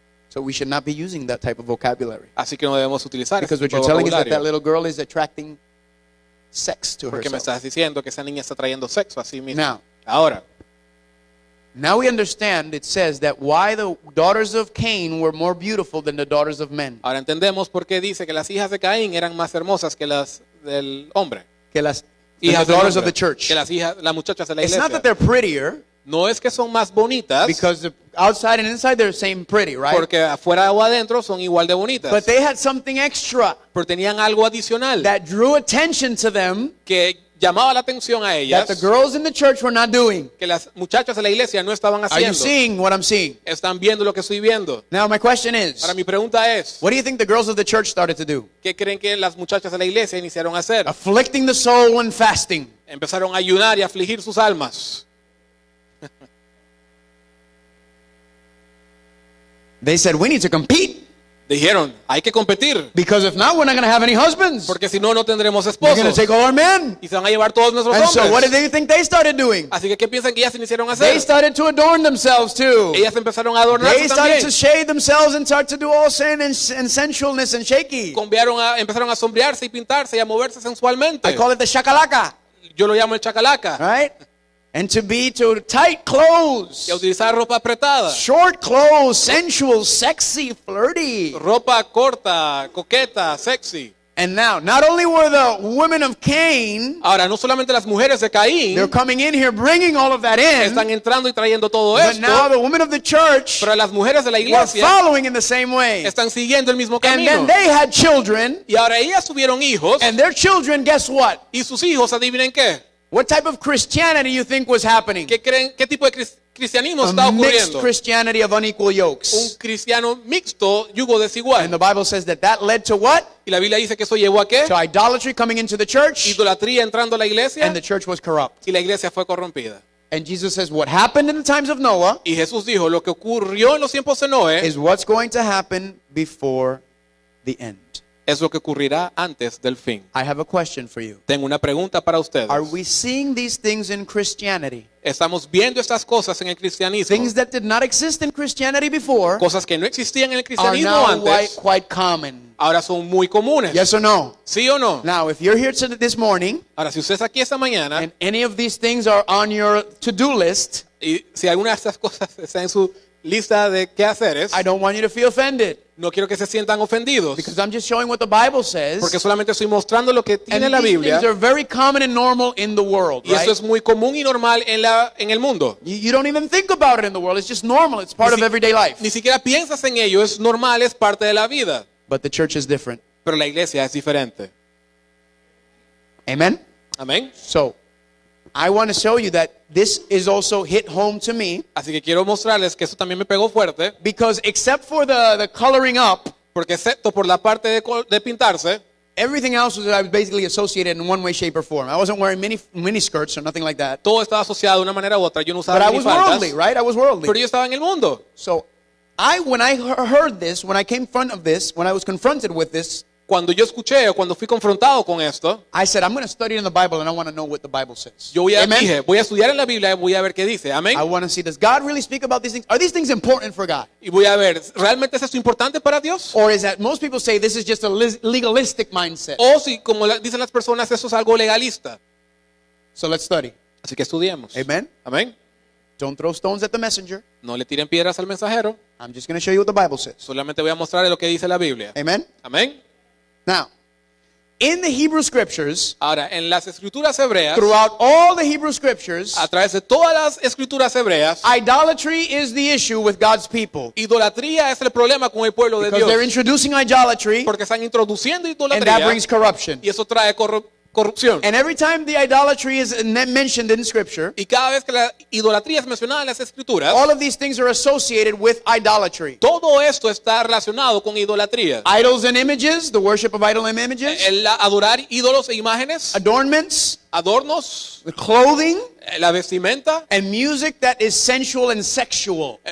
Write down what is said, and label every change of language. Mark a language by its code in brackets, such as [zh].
[en] So we should not be using that type of vocabulary. [es] Así que no debemos utilizar [en] because what you're telling is that little girl is attracting sex to [es] porque [en] herself. [es] Me estás diciendo que esa niña está trayendo sexo a sí misma. [en] Now, [es] ahora. [en] Now we understand, it says, that why the daughters of Cain were more beautiful than the daughters of men. [es] Ahora entendemos por qué dice que las hijas de Caín eran más hermosas que las del hombre. Que las hijas [en] the daughters of the church. [es] Que las muchachas de la [en] it's [es] iglesia. [en] It's not that they're prettier. [es] No es que son más bonitas. [en] Because the outside and inside they're the same pretty, right? [es] Porque afuera o adentro son igual de bonitas. [en] But they had something extra. [es] Pero tenían algo adicional. [en] That drew attention to them. [es] Que llamaba la atención a ellas. [en] That the girls in the church were not doing. [es] Que las muchachas de la iglesia no estaban haciendo. [en] Are you seeing what I'm seeing? [es] Están viendo lo que estoy viendo. [en] Now my question is. [es] Ahora mi pregunta es. [en] What do you think the girls of the church started to do? [es] ¿Qué creen que las muchachas de la iglesia iniciaron a hacer? [en] Afflicting the soul and fasting. [es] Empezaron a ayunar y afligir sus almas. [en] They said we need to compete. [es] Dijeron, hay que competir. [en] Because if not, we're not going to have any husbands. [es] Porque si no, no tendremos esposos. [en] They're going to take all our men. [es] Y se van a llevar todos nuestros [en] and [es] hombres. [en] So what did they think they started doing? [es] Así que, ¿qué piensan que ellas iniciaron a hacer? [en] They started to adorn themselves too. [es] Ellas empezaron a adornarse [en] they started [es] también. [en] To shade themselves and start to do all sin and sensualness and shaky. [es] Empezaron a sombrearse y pintarse y a moverse sensualmente. [en] I call it the shakalaka. [es] Yo lo llamo el chacalaca. [en] Right? And to tight clothes. [es] Y a utilizar ropa apretada. [en] Short clothes, sensual, sexy, flirty. [es] Ropa corta, coqueta, sexy. [en] And now, not only were the women of Cain, [es] ahora no solamente las mujeres de Caín, [en] they're coming in here bringing all of that in. [es] Están entrando y trayendo todo esto. [en] But now the women of the church, [es] pero las mujeres de la iglesia, [en] were following in the same way. [es] Están siguiendo el mismo camino. [en] And then they had children, [es] y ahora ellas tuvieron hijos, [en] and their children, guess what? [es] Y sus hijos, adivinen qué? [en] What type of Christianity you think was happening? [es] ¿Qué tipo de cristianismo está ocurriendo? [en] A mixed Christianity of unequal yokes. [es] Un cristiano mixto, yugo desigual. [en] And the Bible says that that led to what? [es] ¿Y la Biblia dice que eso llevó a qué? [en] To idolatry coming into the church. [es] Idolatría entrando a la iglesia. [en] And the church was corrupt. [es] Y la iglesia fue corrompida. [en] And Jesus says, what happened in the times of Noah? [es] Y Jesús dijo, lo que ocurrió en los tiempos de Noé. [en] Is what's going to happen before the end. [es] Es lo que ocurrirá antes del fin. [en] I have a question for you. [es] Tengo una pregunta para ustedes. [en] Are we seeing these things in Christianity? [es] Estamos viendo estas cosas en el cristianismo. [en] Things that did not exist in Christianity before. [es] Cosas que no existían en el cristianismo [en] are now [es] antes. [en] Quite common. [es] Ahora son muy comunes. [en] Yes or no? [es] Sí o no? [en] Now, if you're here this morning, [es] ahora si usted está aquí esta mañana, [en] and any of these things are on your to-do list, [es] y si alguna de estas cosas está en su lista de qué hacer es, [en] I don't want you to feel offended. [es] No quiero que se sientan ofendidos. [en] Because I'm just showing what the Bible says. [es] Porque solamente estoy mostrando lo que tiene [en] and [es] la Biblia. [en] These things are very common and normal in the world, [es] y eso [en] right? [es] Es muy común y normal en el mundo. [en] You don't even think about it in the world. It's just normal. It's part of everyday life. [es] Ni siquiera piensas en ello. Es normal. Es parte de la vida. [en] But the church is different. [es] Pero la iglesia es diferente. [en] Amen. [es] Amen. [en] So, I want to show you that this is also hit home to me. [es] Así que quiero mostrarles que eso también me pegó fuerte. [en] Because except for the coloring up, [es] porque excepto por la parte de pintarse, [en] everything else was basically associated in one way, shape, or form. I wasn't wearing mini skirts or nothing like that. [es] Todo estaba asociado de una manera u otra. Yo no usaba [en] minifaldas. But I was worldly, right? I was worldly. [es] Pero yo estaba en el mundo. [en] So, when I heard this, when I came front of this, when I was confronted with this. [es] Cuando yo escuché o cuando fui confrontado con esto, [en] I said I'm going to study in the Bible and I want to know what the Bible says. [es] Yo ya dije, voy a estudiar en la Biblia y voy a ver qué dice. Amén. [en] I want to see, does God really speak about these things? Are these things important for God? [es] Y voy a ver, ¿realmente es esto importante para Dios? [en] Or is that most people say this is just a legalistic mindset? [es] O si como dicen las personas, eso es algo legalista. [en] So let's study. [es] Así que estudiemos. [en] Amen. [es] Amén. [en] Don't throw stones at the messenger. [es] No le tiren piedras al mensajero. [en] I'm just going to show you what the Bible says. [es] Solamente voy a mostrar lo que dice la Biblia. [en] Amen. [es] Amén. [en] Now, in the Hebrew scriptures, [es] ahora, en las escrituras hebreas, [en] throughout all the Hebrew scriptures, [es] a través de todas las escrituras hebreas, [en] idolatry is the issue with God's people. [es] Idolatría es el problema con el pueblo de Dios. [en] Because they're introducing idolatry, [es] porque están introduciendo idolatría, [en] and that brings corruption. [es] Y eso trae corrupción. [en] And every time the idolatry is mentioned in scripture, [es] y cada vez que la idolatría es mencionada en las escrituras, [en] all of these things are associated with idolatry. [es] Todo esto está relacionado con idolatría. [en] Idols and images, the worship of idols and images. [es] El adorar ídolos e imágenes. [en] Adornments. [es] Adornos. [en] The clothing. [es] La vestimenta. [en] And music that is sensual and sexual.